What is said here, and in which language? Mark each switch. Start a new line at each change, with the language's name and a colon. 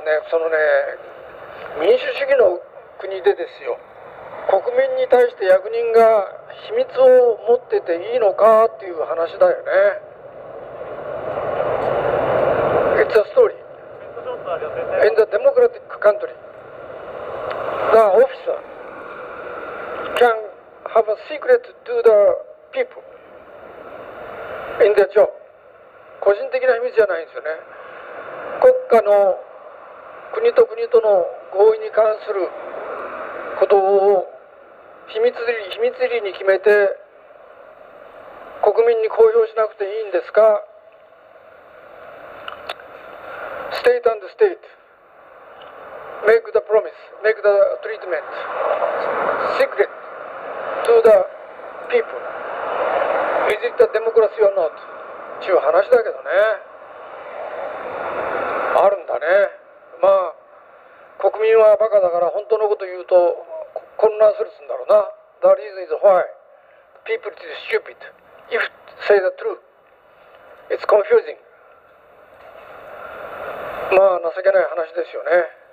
Japanese: そのね、民主主義の国でですよ、国民に対して役人が秘密を持ってていいのかっていう話だよね。
English: It's a story in the democratic country the officer can have a secret to the people in the job。
Japanese: 個人的な秘密じゃないんですよね、国家の国と国との合意に関することを秘密裏に決めて国民に公表しなくていいんですか。
English: State and state make the promise make the treatment secret to the people is it a democracy or not
Japanese: っていう話だけどね。あるんだね。まあ国民はバカだから本当のこと言うと混乱するんだろうな。
English: The reason is why people is stupid if say the truth it's confusing。
Japanese: まあ情けない話ですよね。